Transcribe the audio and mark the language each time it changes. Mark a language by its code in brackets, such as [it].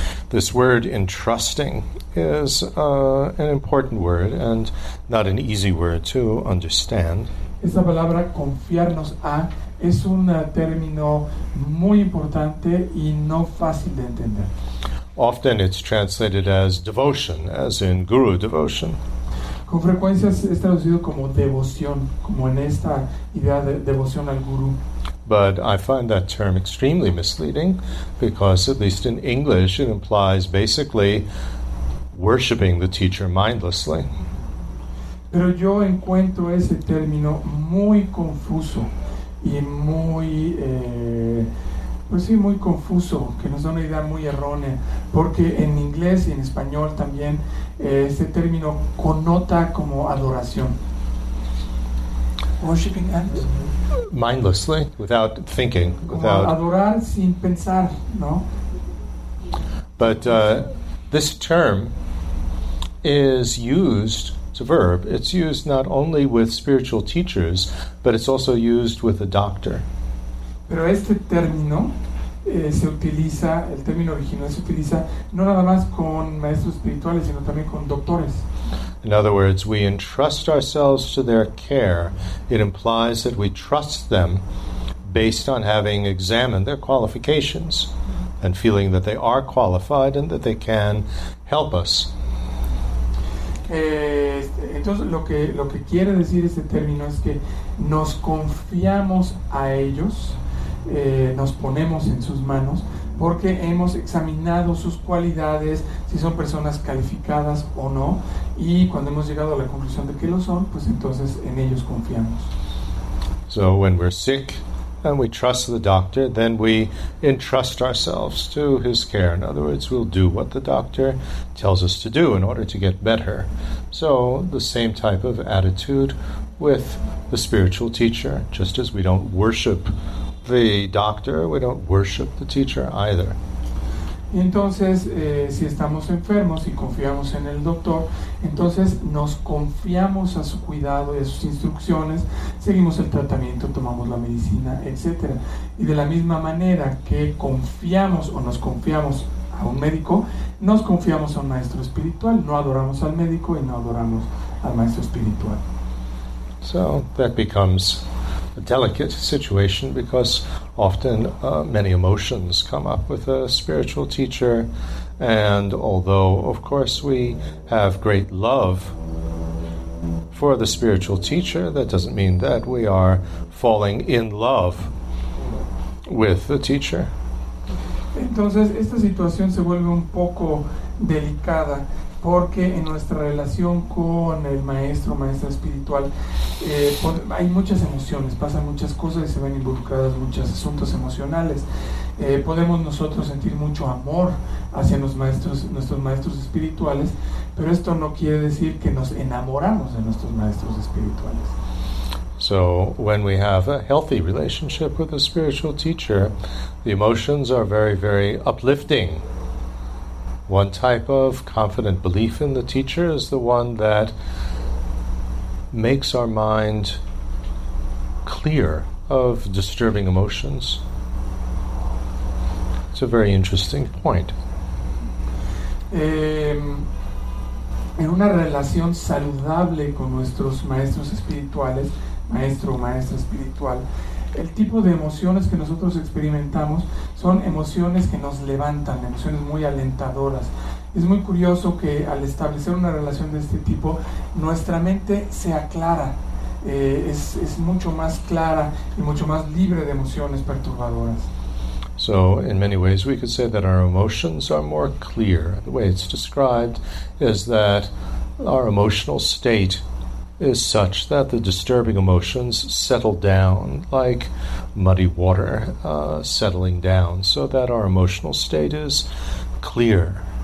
[en] This word entrusting is an important word and not an easy word to understand. [es] Esa palabra confiarnos a es un término muy importante y no fácil de entender. [en] Often it's translated as devotion, as in guru devotion. [es] Con frecuencia es traducido como devoción, como en esta idea de devoción al guru. [en] But I find that term extremely misleading because, at least in English, it implies basically worshiping the teacher mindlessly. [es] Pero yo encuentro ese término muy confuso y muy, pues sí, muy confuso, que nos da una idea muy errónea, porque en inglés y en español también ese término connota como adoración. [en] Worshiping and mindlessly, without thinking, without [es] adorar sin pensar, no? [en] But this term is used, it's a verb, it's used not only with spiritual teachers, but it's also used with a doctor. [es] Pero este término se utiliza, el término original se utiliza no nada más con maestros espirituales, sino también con doctores. [en] In other words, we entrust ourselves to their care. It implies that we trust them based on having examined their qualifications and feeling that they are qualified and that they can help us. [es] Entonces, lo que quiere decir este término es que nos confiamos a ellos, nos ponemos en sus manos, porque hemos examinado sus cualidades, si son personas calificadas o no, y cuando hemos llegado a la conclusión de que lo son, pues entonces en ellos confiamos. [en] So when we're sick and we trust the doctor, then we entrust ourselves to his care. In other words, we'll do what the doctor tells us to do in order to get better. So the same type of attitude with the spiritual teacher, just as we don't worship the doctor, we don't worship the teacher either. [es] Entonces, si estamos enfermos y confiamos en el doctor, entonces nos confiamos a su cuidado y a sus instrucciones, seguimos el tratamiento, tomamos la medicina, etc. Y de la misma manera que confiamos o nos confiamos a un médico, nos confiamos a un maestro espiritual. No adoramos al médico y no adoramos al maestro espiritual. [en] So, that becomes a delicate situation because often many emotions come up with a spiritual teacher, and although of course we have great love for the spiritual teacher, that doesn't mean that we are falling in love with the teacher. [es] Entonces esta situación se vuelve un poco delicada porque en nuestra relación con el maestro, maestra espiritual, hay muchas emociones, pasan muchas cosas y se ven involucradas muchos asuntos emocionales. Podemos nosotros sentir mucho amor hacia nuestros maestros espirituales, pero esto no quiere decir que nos enamoramos de nuestros maestros espirituales. [en] So, when we have a healthy relationship with a spiritual teacher, the emotions are very, very uplifting. One type of confident belief in the teacher is the one that makes our mind clear of disturbing emotions. It's a very interesting point. [es] En una relación saludable con nuestros maestros espirituales, maestro o maestra espiritual, el tipo de emociones que nosotros experimentamos son emociones que nos levantan, emociones muy alentadoras. Es muy curioso que al establecer una relación de este tipo, nuestra mente se aclara, es mucho más clara y mucho más libre de emociones perturbadoras. [en] So, in many ways, we could say that our emotions are more clear. The way it's described is that our emotional state is such that the disturbing emotions settle down like muddy water settling down, so that our emotional state is clear.